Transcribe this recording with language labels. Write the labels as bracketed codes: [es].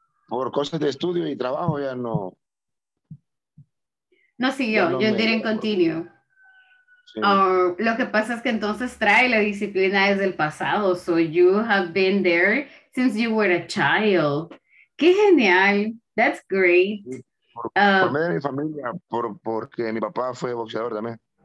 [es] Por cosas de estudio y trabajo ya no... No siguió, sí, [en] you didn't continue. [es] Sí. Lo que pasa es que entonces trae la disciplina desde el pasado, [en] so you have been there since you were a child. [es] ¡Qué genial! [en] That's great. [es] Sí. Por medio de mi familia, porque mi papá fue boxeador también.